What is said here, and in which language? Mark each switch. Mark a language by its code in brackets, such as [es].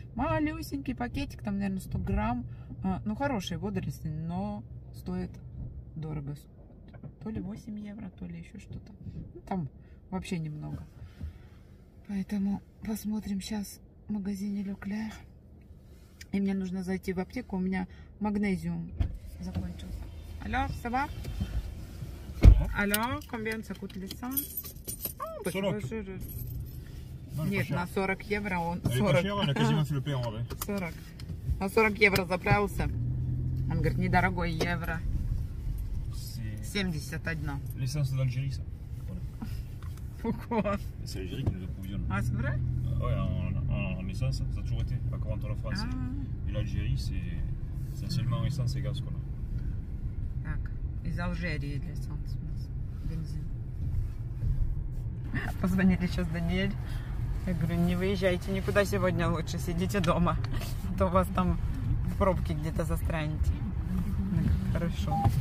[ru] Малюсенький пакетик, там, наверное, 100 грамм. Ну, хорошие водоросли, но стоят дорого. То ли 8 евро, то ли еще что-то. Там вообще немного. Поэтому посмотрим сейчас в магазине Leclerc. И мне нужно зайти в аптеку, у меня магнезиум закончился. [fr] Алло, ça va? Алло, combien ça coûte l'essence? 40. [ru] Нет, на 40 евро он... 40. На 40 евро заправился. Он говорит, недорогой евро. 71. [fr] L'essence d'Algérie, ça. Pourquoi? C'est l'Algérie qui nous approvisionne. Ah, c'est vrai? Ouais, en essence, ça a toujours été, à Corentin la France. Ah. Et l'Algérie, c'est essentiellement essence et gaz qu'on a. D'accord. [ru] Из Алжирии [fr] l'essence, [ru] бензин. Позвонили сейчас Даниэль. Я говорю, не выезжайте никуда сегодня, лучше сидите дома. А то вас там в пробке где-то застрянете. Хорошо.